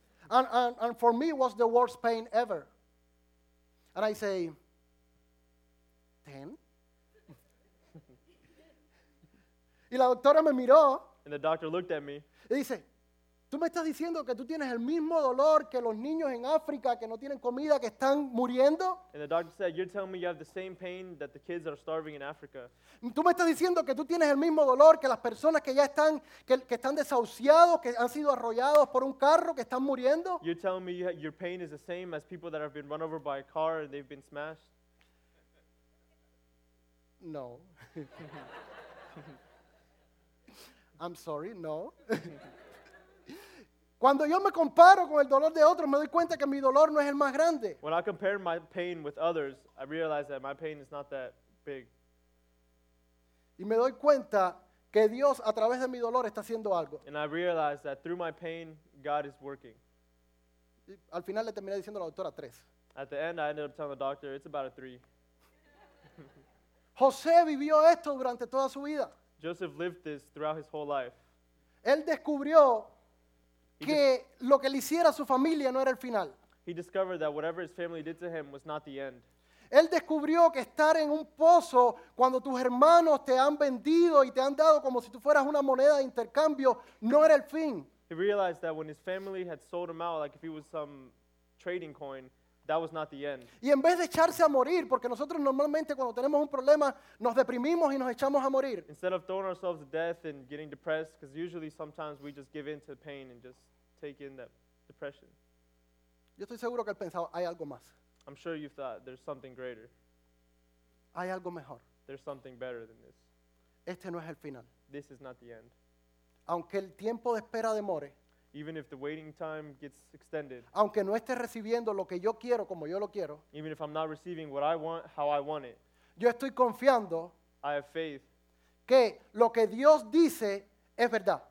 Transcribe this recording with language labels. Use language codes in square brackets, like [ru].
[en] And for me, was the worst pain ever. And I say, 10? [es] Y la doctora me miró. [en] And the doctor looked at me. [es] Y dice, tú me estás diciendo que tú tienes el mismo dolor que los niños en África que no tienen comida, que están muriendo. [en] And the doctor said, you're telling me you have the same pain that the kids are starving in Africa. [es] Tú me estás diciendo que tú tienes el mismo dolor que las personas que ya están, que están desahuciados, que han sido arrollados por un carro, que están muriendo. [en] You're telling me your pain is the same as people that have been run over by a car and they've been smashed. [es] No. [en] I'm sorry, no. [es] Cuando yo me comparo con el dolor de otros, me doy cuenta que mi dolor no es el más grande. [en] When I compare my pain with others, I realize that my pain is not that big. [es] Y me doy cuenta que Dios a través de mi dolor está haciendo algo. [en] And I realize that through my pain, God is working. [es] Y al final le terminé diciendo a la doctora 3. [en] At the end, I ended up telling the doctor, it's about a 3. [es] José vivió esto durante toda su vida. [en] Joseph lived this throughout his whole life. [es] Él descubrió que lo que le hiciera a su familia no era el final. [en] He discovered that whatever his family did to him was not the end. [es] Él descubrió que estar en un pozo cuando tus hermanos te han vendido y te han dado como si tú fueras una moneda de intercambio no era el fin. [en] He realized that when his family had sold him out, like if he was some trading coin, that was not the end. [es] Y en vez de echarse a morir, porque nosotros normalmente cuando tenemos un problema nos deprimimos y nos echamos a morir. [en] Instead of throwing ourselves to death and getting depressed, because usually sometimes we just give in to the pain and just take in that depression. [es] Yo estoy seguro que él pensaba, hay algo más. [en] I'm sure you've thought there's something greater. [es] Hay algo mejor. [en] There's something better than this. [es] Este no es el final. [en] This is not the end. [es] Aunque el tiempo de espera demore, [en] even if the waiting time gets extended, [es] aunque no esté recibiendo lo que yo quiero como yo lo quiero, [en] even if I'm not receiving what I want how I want it, [es] yo estoy confiando, [en] I have faith, [es] que lo que Dios dice es verdad,